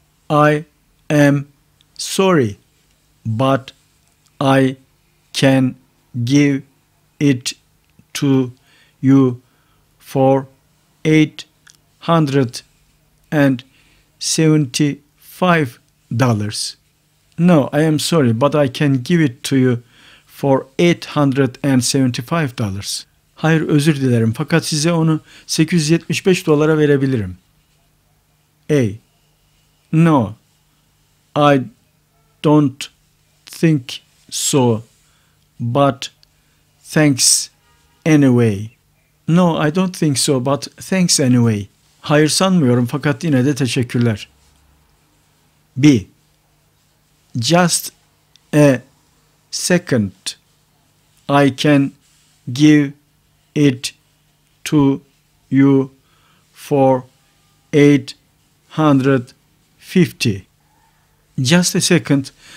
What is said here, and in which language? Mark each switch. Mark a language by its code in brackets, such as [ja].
[en] I am sorry, but I can give it to you for 875 dollars. No, I am sorry, but I can give it to you for 875 dollars. [tr] Hayır, özür dilerim, fakat size onu 875 dolara verebilirim. [en] A. No, I don't think so, but thanks anyway. No, I don't think so, but thanks anyway. [tr] Hayır, sanmıyorum, fakat yine de teşekkürler. [en] B. Just a second. I can give it to you for 850. Just a second.